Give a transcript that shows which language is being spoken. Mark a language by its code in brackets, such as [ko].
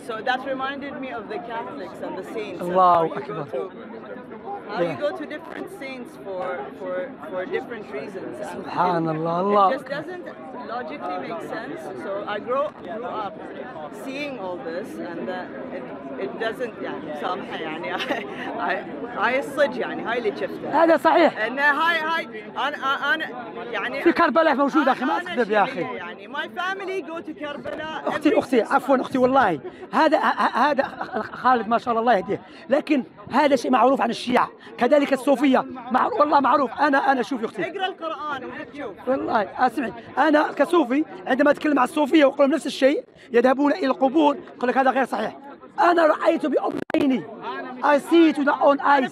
[en] So that reminded me of the Catholics and the saints. [ar] Allahu Akbar. Huh? [en] How yeah. you go to different saints for different reasons. [ar] Subhanallah, Allah. [en] It just doesn't logically make sense. So I grew up seeing all this, and it doesn't. [ar] Yeah, سامحه يعني هاي الصج يعني هاي اللي شفته. هذا صحيح. إن هاي أنا يعني. في كربلاء موجود أخي ما أكذب يا أخي. يعني [en] my family go to كربلاء. [ar] أختي عفواً أختي والله هذا خالد ما شاء الله الله يهديه لكن هذا شيء معروف عن الشيعة كذلك الصوفية معروف والله معروف أنا شوف يا أختي اقرأ القرآن وتشوف والله أسمعي أنا كصوفي عندما أتكلم مع الصوفية وأقول نفس الشيء يذهبون إلى القبور أقول لك هذا غير صحيح أنا رأيت بعيني [en] I see it with my own eyes